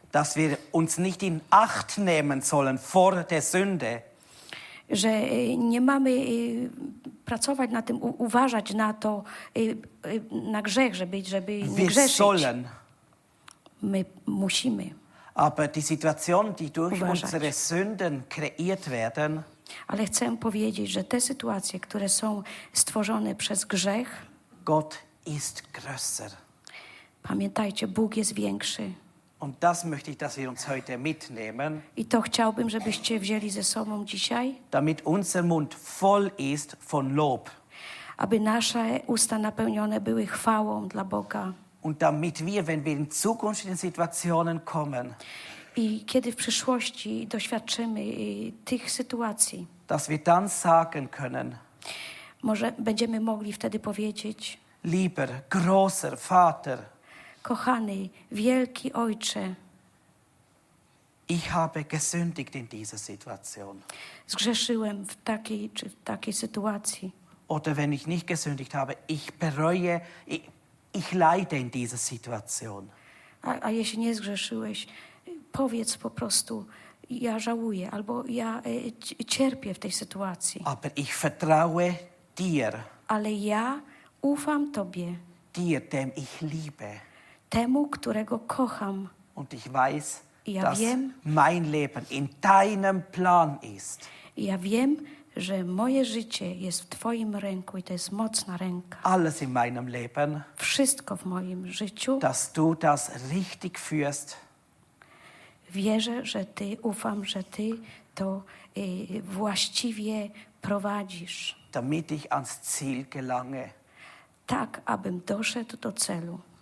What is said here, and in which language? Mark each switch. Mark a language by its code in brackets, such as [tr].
[de] Dass wir uns nicht in Acht nehmen sollen vor der Sünde. [pl] że nie mamy pracować na tym, uważać na to, na grzech, żeby nie grzeszyć. [de] Sollen. [pl] My musimy. [de] Aber die Situation, die durch [pl] uważać. [de] Unsere Sünden kreiert werden. [pl] Ale chcę powiedzieć, że te sytuacje, które są stworzone przez grzech, [de] Gott ist größer. [pl] Pamiętajcie, Bóg jest większy. [de] Und das möchte ich, dass wir uns heute mitnehmen. [pl] I to chciałbym, żebyście wzięli ze sobą dzisiaj. [de] Damit unser Mund voll ist von Lob. [pl] Aby nasze usta napełnione były chwałą dla Boga. [de] Und damit wir, wenn wir in zukünftigen Situationen kommen. [pl] I kiedy w przyszłości doświadczymy tych sytuacji. [de] Dass wir dann sagen können. [pl] Może będziemy mogli wtedy powiedzieć. [de] Lieber großer Vater. [pl] Kochany, wielki Ojcze. [de] Ich habe gesündigt in dieser Situation. [pl] Zgrzeszyłem w takiej czy w takiej sytuacji. [de] Oder wenn ich nicht gesündigt habe, ich bereue, ich leide in dieser Situation. [pl] A jeśli nie zgrzeszyłeś, powiedz po prostu, ja żałuję, albo ja cierpię w tej sytuacji. [de] Aber ich vertraue dir. [pl] Ale ja ufam Tobie. [de] Dir, dem ich liebe. [pl] Temu, którego kocham. [de] Und ich weiß, [pl] ja [de] dass [pl] wiem, [de] mein Leben in deinem Plan ist. [pl] Ja wiem, że moje życie jest w Twoim ręku i to jest mocna ręka. [de] Alles in meinem Leben. [pl] Wszystko w moim życiu. [de] Dass du das richtig führst. [pl] Wierzę, że Ty, ufam, że Ty to właściwie prowadzisz. [de] Damit ich ans Ziel gelange. [pl] Tak, abym doszedł do celu.